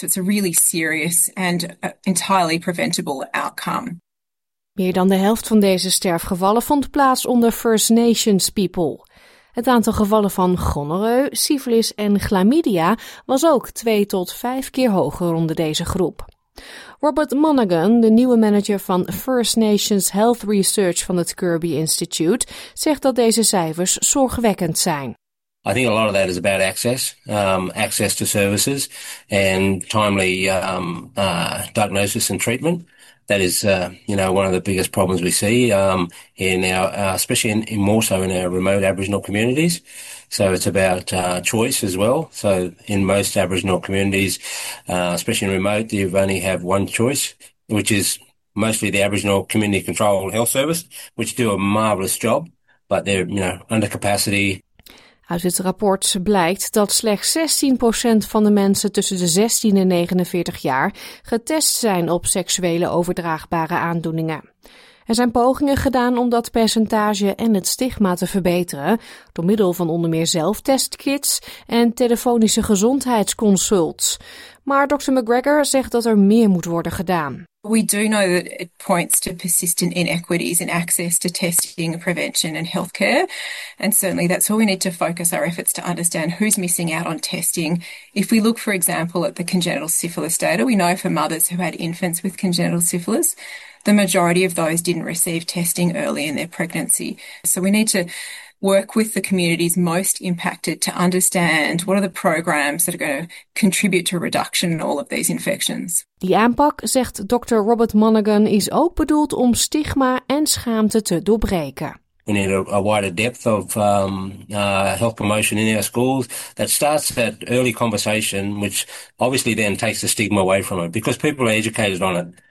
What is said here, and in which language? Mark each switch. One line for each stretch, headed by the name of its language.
English: So it's a really serious and entirely preventable outcome.
Dutch: Meer dan de helft van deze sterfgevallen vond plaats onder First Nations people. Het aantal gevallen van gonorreu, syfilis en chlamydia was ook 2 tot 5 keer hoger onder deze groep. Robert Monaghan, de nieuwe manager van First Nations Health Research van het Kirby Institute, zegt dat deze cijfers zorgwekkend zijn.
English: I think a lot of that is about access, access to services and timely diagnosis and treatment. That is, one of the biggest problems we see especially in more so in our remote Aboriginal communities. So it's about choice as well. So in most Aboriginal communities, especially in remote, you only have one choice, which is mostly the Aboriginal Community Control Health Service, which do a marvelous job, but they're, under capacity.
Dutch: Uit het rapport blijkt dat slechts 16% van de mensen tussen de 16 en 49 jaar getest zijn op seksuele overdraagbare aandoeningen. Er zijn pogingen gedaan om dat percentage en het stigma te verbeteren door middel van onder meer zelftestkits en telefonische gezondheidsconsults. Maar Dr. McGregor zegt dat er meer moet worden gedaan.
English: We do know that it points to persistent inequities in access to testing, prevention and healthcare. And certainly that's where we need to focus our efforts to understand who's missing out on testing. If we look, for example, at the congenital syphilis data, we know for mothers who had infants with congenital syphilis, the majority of those didn't receive testing early in their pregnancy. So we need to work with the communities most impacted to understand what are the programs that are going to contribute to a reduction in all of these infections.
Dutch: Die aanpak, zegt Dr. Robert Monaghan, is ook bedoeld om stigma en schaamte te doorbreken.
English: We need a wider depth of health promotion in our schools that starts that early conversation, which obviously then takes the stigma away from it because people are educated on it.